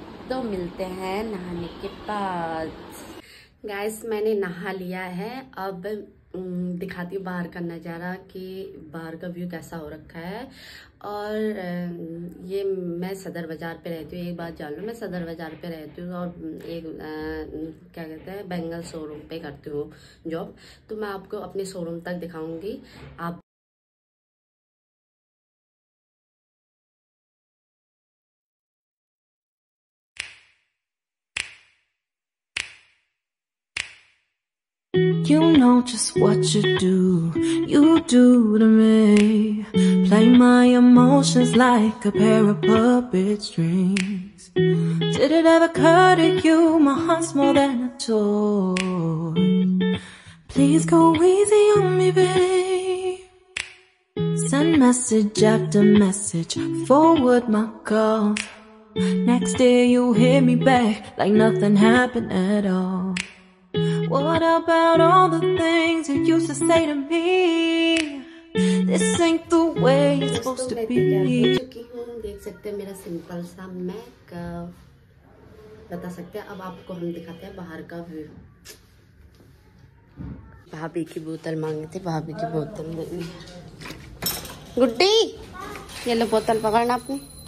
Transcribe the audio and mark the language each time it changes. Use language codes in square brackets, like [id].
[hi] तो मिलते हैं नहाने के बाद। गाइस, मैंने नहा लिया है, अब दिखाती हूँ बाहर का नज़ारा कि बाहर का व्यू कैसा हो रखा है। और ये मैं सदर बाज़ार पे रहती हूँ, एक बात जान लो, मैं सदर बाज़ार पे रहती हूँ और एक क्या कहते हैं बेंगल शोरूम पे करती हूँ जॉब। तो मैं आपको अपने शोरूम तक दिखाऊंगी। आप [en] You know just what you do to me. Play my emotions like a pair of puppet strings. Did it ever occur to you my heart's more than a toy? Please go easy on me, baby. Send message after message, forward my calls. Next day you hit me back like nothing happened at all. What about all the things you used to say to me? This ain't the way it's supposed to be. [hi] चुकी हूँ, देख सकते हैं मेरा simple सा makeup, बता सकते हैं। अब आपको हम दिखाते हैं बाहर का व्यू। भाभी की बोतल मांगी थी, भाभी की बोतल दे दी। गुड्डी, ये लो बोतल पकड़ना आपने।